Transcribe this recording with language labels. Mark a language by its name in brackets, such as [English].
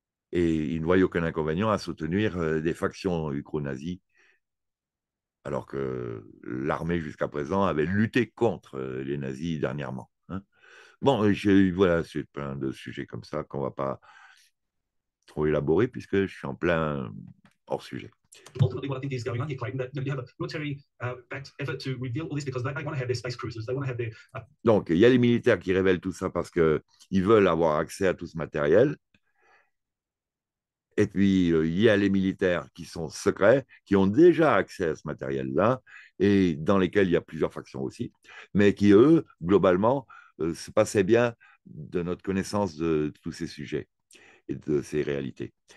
[French] Et ils ne voient aucun inconvénient à soutenir des factions ukro-nazies, alors que l'armée jusqu'à présent avait lutté contre les nazis dernièrement. Hein. Bon, voilà, c'est plein de sujets comme ça qu'on ne va pas trop élaborer, puisque je suis en plein hors sujet. [English] Ultimately, what I think is going on here, Clayton, that you know, you have a military backed effort to reveal all this because they want to have their space cruisers. They want to have their. [French] Donc, il y a les militaires qui révèlent tout ça parce qu'ils veulent avoir accès à tout ce matériel. Et puis, il y a les militaires qui sont secrets, qui ont déjà accès à ce matériel-là, et dans lesquels il y a plusieurs factions aussi, mais qui, eux, globalement, se passaient bien de notre connaissance de tous ces sujets et de ces réalités.